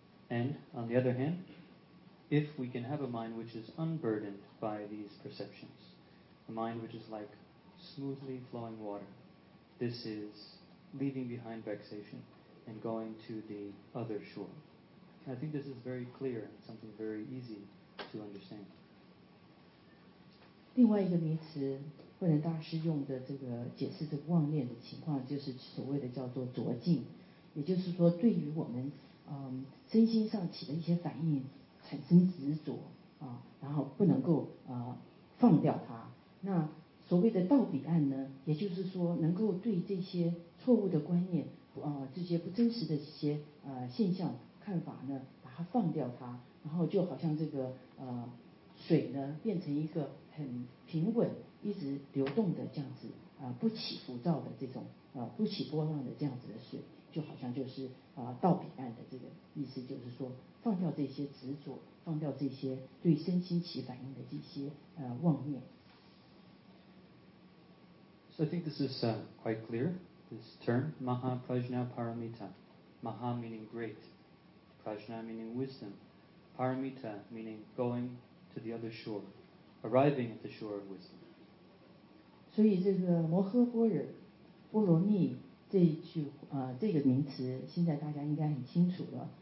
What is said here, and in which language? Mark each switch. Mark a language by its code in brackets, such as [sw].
[en] And, on the other hand, if we can have a mind which is unburdened by these perceptions, a mind which is like smoothly flowing water, this is leaving behind vexation and going to the other shore. I think this is very clear and something very easy to understand. [zh] 另外一个名词，慧能大师用的这个解释这个妄念的情况，就是所谓的叫做着境，也就是说，对于我们身心上起的一些反应，产生执着，然后不能够放掉它。那所谓的到彼岸呢，也就是说能够对这些错误的观念这些不真实的一些现象看法呢，把它放掉它，然后就好像这个水呢变成一个很平稳一直流动的这样子不起浮躁的这种不起波浪的这样子的水，就好像就是到彼岸的这个意思，就是说放掉这些执着，放掉这些对身心起反应的这些妄念。 [en] So I think this is quite clear, this term, Maha Prajna Paramita. Maha meaning great, Prajna meaning wisdom, Paramita meaning going to the other shore, arriving at the shore of wisdom. [zh] 所以这个摩诃般若波罗蜜这一句这个名词现在大家应该很清楚了。